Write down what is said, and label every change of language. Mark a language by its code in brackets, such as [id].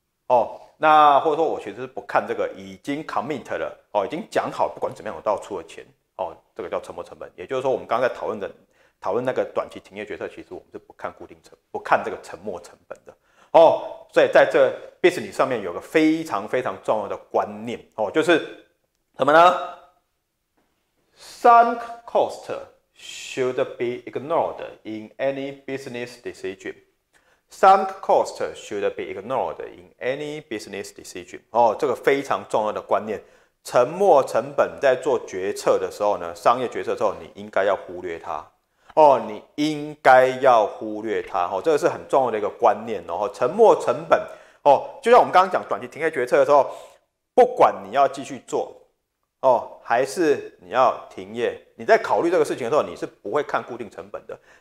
[zh] 哦，那或者说我其实是不看这个已经 commit 了，哦，已经讲好，不管怎么样我都要出的钱。哦，这个叫沉没成本。也就是说，我们刚刚在讨论那个短期停业决策，其实我们是不看这个沉没成本的。哦，所以在这 business 上面有个非常非常重要的观念，哦，就是什么呢？ [en] Sunk cost should be ignored in any business decision. Sunk cost should be ignored in any business decision. [zh] 哦，这个非常重要的观念，沉没成本在做决策的时候呢，商业决策的时候，你应该要忽略它。哦，你应该要忽略它。哦，这个是很重要的一个观念哦。沉没成本哦，就像我们刚刚讲短期停业决策的时候，不管你要继续做，哦，还是你要停业，你在考虑这个事情的时候，你是不会看固定成本的。